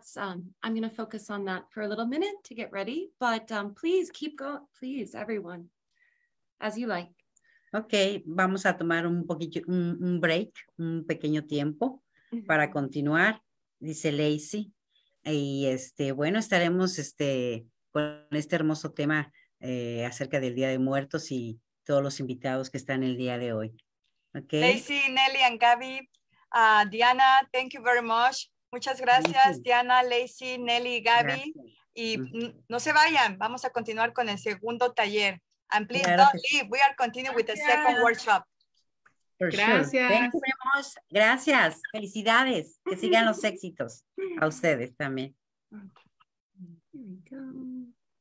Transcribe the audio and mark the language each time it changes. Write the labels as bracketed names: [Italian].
[English] I'm going to focus on that for a little minute to get ready, but please keep going, please, everyone, as you like. [Spanish] Ok, vamos a tomar un pequeño tiempo para continuar, dice Lacey. Y bueno, estaremos con este hermoso tema acerca del Día de Muertos y todos los invitados que están el día de hoy. [English] Okay. Lacey, Nelly and Gaby, Diana, thank you very much. [Spanish] Muchas gracias, Diana, Lacey, Nelly, Gaby. Gracias. Y no se vayan, vamos a continuar con el segundo taller. [English] And please don't leave. We are continuing with the second workshop. [Spanish] Gracias. [English] Thank you very much. [Spanish] Gracias. Felicidades. Que sigan los éxitos a ustedes también. [English] Okay. Here we go.